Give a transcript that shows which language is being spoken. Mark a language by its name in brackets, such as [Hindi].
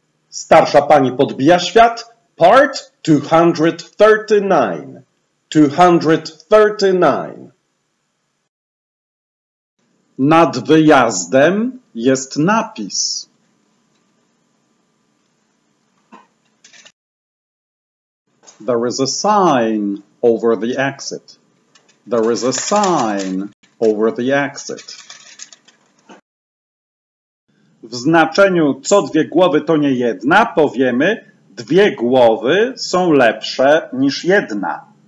[Polish] Starsza pani podbija świat. Part 239. Nad wyjazdem jest napis. [English] There is a sign over the exit. There is a sign over the exit. [Polish] W znaczeniu co dwie głowy to nie jedna powiemy dwie głowy są lepsze niż jedna.